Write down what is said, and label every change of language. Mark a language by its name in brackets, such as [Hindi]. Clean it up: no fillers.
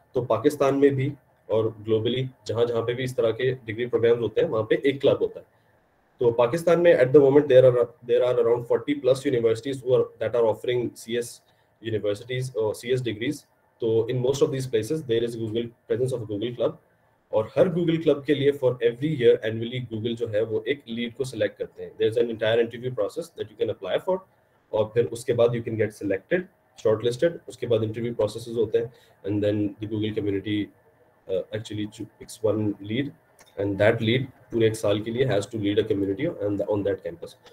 [Hindi] तो पाकिस्तान में भी और globally जहाँ जहाँ पे भी इस तरह के degree programs होते हैं, वहाँ पे एक club होता है. तो पाकिस्तान में [English] at the moment there are around 40 plus universities that are offering CS universities or CS degrees. तो in most of these places there is Google presence of a Google club. [Hindi] और हर गूगल क्लब के लिए [English] for every year annually [Hindi] Google जो है वो एक lead को select करते हैं. [English] there is an entire interview process that you can apply for [Hindi] और फिर उसके बाद [English] You can get selected shortlisted. [Hindi] उसके बाद इंटरव्यू प्रोसेसेस होते हैं [English] and then the Google community actually picks one lead and that lead [Hindi] पूरे एक साल के लिए [English] Has to lead a community on that campus.